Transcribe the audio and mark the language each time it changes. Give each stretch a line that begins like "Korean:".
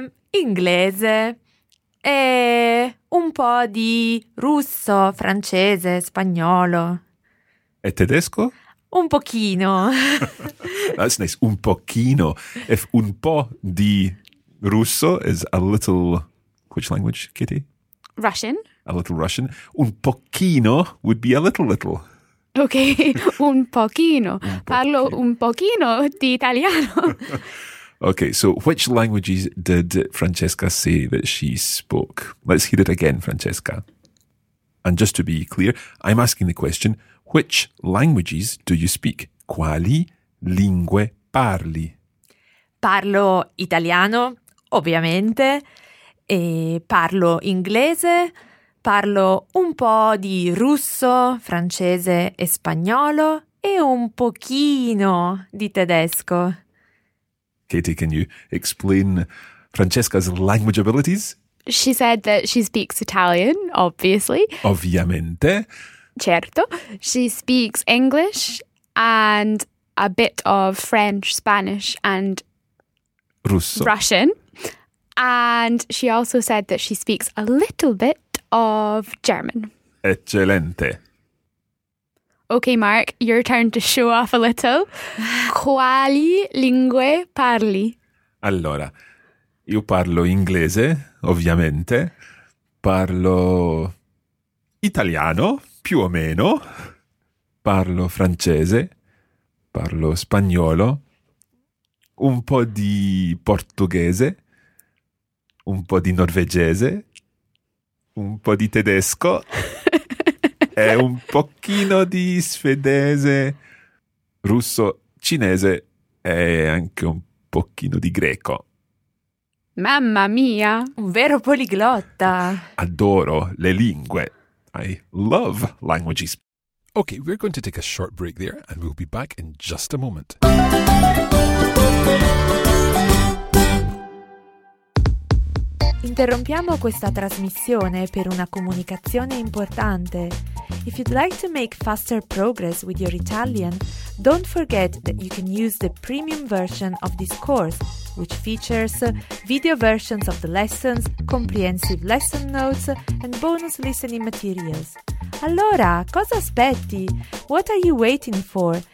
Italian: Inglese. E un po' di russo, francese, spagnolo. E tedesco? Un pochino.
English: That's nice.
Italian: Un pochino.
English: If
Italian: un po' di russo
English: is a little... Which language, Kitty? Russian. A little Russian.
Italian: Un pochino
English: would be a little, little. Okay.
Italian: Un pochino. Parlo un pochino di italiano.
English: Okay. So which languages did Francesca say that she spoke? Let's hear it again, Francesca. And just to be clear, I'm asking the question... Which languages do you speak?
Italian: Quali lingue parli? Parlo italiano, ovviamente, e parlo inglese, parlo un po' di russo, francese e spagnolo e un pochino di tedesco.
English: Katie, can you explain Francesca's language abilities? She said that she speaks Italian, obviously.
Italian: Ovviamente. Certo.
English: She speaks English and a bit of French, Spanish and
Italian: Russo.
English: Russian. And she also said that she speaks a little bit of German.
Italian: Eccellente.
English: Okay, Mark, your turn to show off a little.
Italian: Quali lingue parli? Allora, io parlo inglese, ovviamente. Parlo italiano. Più o meno, parlo francese, parlo spagnolo, un po' di portoghese, un po' di norvegese, un po' di tedesco e un pochino di svedese, russo, cinese e anche un pochino di greco. Mamma mia, un vero poliglotta! Adoro le lingue!
English: I love languages. Okay, we're going to take a short break there and we'll be back in just a moment.
Italian: Interrompiamo questa trasmissione per una comunicazione importante.
English: If you'd like to make faster progress with your Italian, don't forget that you can use the premium version of this course, which features video versions of the lessons, comprehensive lesson notes, and bonus listening materials.
Italian: Allora, cosa aspetti?
English: What are you waiting for?